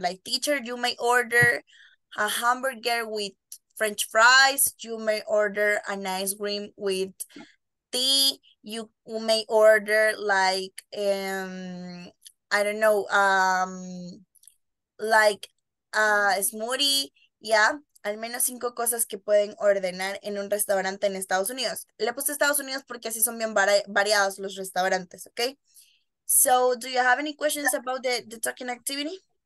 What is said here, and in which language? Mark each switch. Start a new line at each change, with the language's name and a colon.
English: Like, teacher, you may order a hamburger with French fries. You may order an ice cream with tea. You may order like, I don't know, like a smoothie, yeah?
Spanish: Al menos 5 cosas que pueden ordenar en un restaurante en Estados Unidos. Le puse Estados Unidos porque así son bien variados los restaurantes, okay?
English: So, do you have any questions about the talking activity?